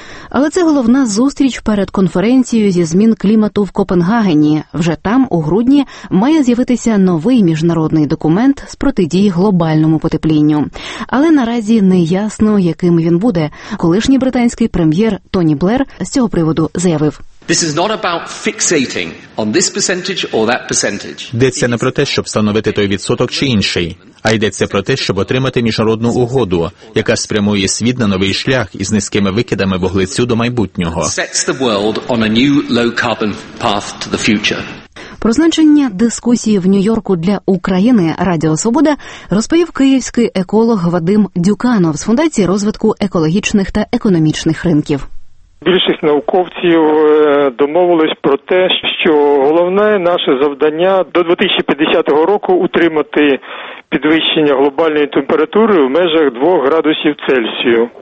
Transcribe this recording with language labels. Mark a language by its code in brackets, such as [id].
[uk] Але це головна зустріч перед конференцією зі змін клімату в Копенгагені. Вже там, у грудні, має з'явитися новий міжнародний документ з протидії глобальному потеплінню. Але наразі не ясно, яким він буде. Колишній британський прем'єр Тоні Блер з цього приводу заявив. [en] This is not about fixating on this percentage or that percentage. [uk] Йдеться не про те, щоб встановити той відсоток чи інший, а йдеться про те, щоб отримати міжнародну угоду, яка спрямує світ на новий шлях із низькими викидами вуглецю до майбутнього. [en] Sets the world on a new low carbon path to the future. [uk] Про значення дискусії в Нью-Йорку для України Радіо Свобода розповів київський еколог Вадим Дюканов з Фундації розвитку екологічних та економічних ринків. Більшість науковців домовились про те, що головне наше завдання до 2050 року утримати підвищення глобальної температури в межах 2 градусів Цельсію.